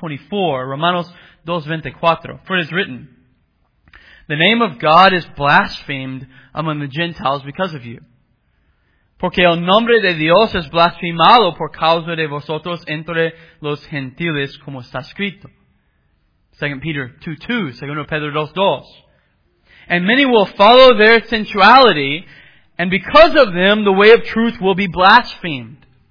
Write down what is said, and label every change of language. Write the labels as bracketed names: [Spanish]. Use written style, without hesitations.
[Spanish] Romanos 2:24. [English] For it is written, the name of God is blasphemed among the Gentiles because of you. [Spanish] Porque el nombre de Dios es blasfemado por causa de vosotros entre los gentiles, como está escrito. [English] 2 Peter 2:2, 2 Pedro 2:2. And many will follow their sensuality, and because of them the way of truth will be blasphemed.